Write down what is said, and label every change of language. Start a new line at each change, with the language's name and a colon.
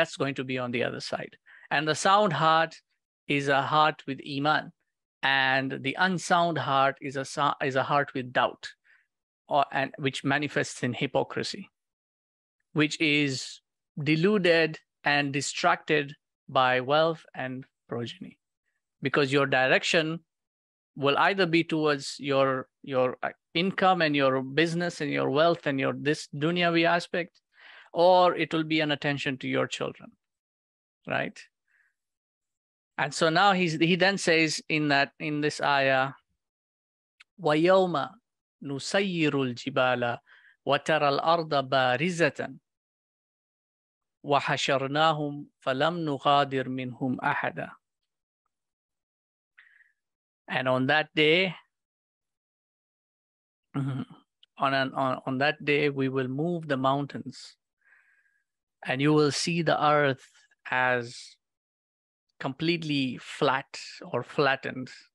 English: That's going to be on the other side. And the sound heart is a heart with iman, and the unsound heart is a heart with doubt, and which manifests in hypocrisy, which is deluded and distracted by wealth and progeny. Because your direction will either be towards your income and your business and your wealth and your this dunyavi aspect, or it will be an attention to your children, right? And so now he then says in this ayah,
Arabic: وَيَوْمَ نُسَيِّرُ الْجِبَالَ وَتَرَى الْأَرْضَ بَارِزَةً وَحَشَرْنَاهُمْ فَلَمْ نُغَادِرْ مِنْهُمْ أَحَدًا.
English: And on that day, on that day, we will move the mountains, and you will see the earth as completely flat or flattened.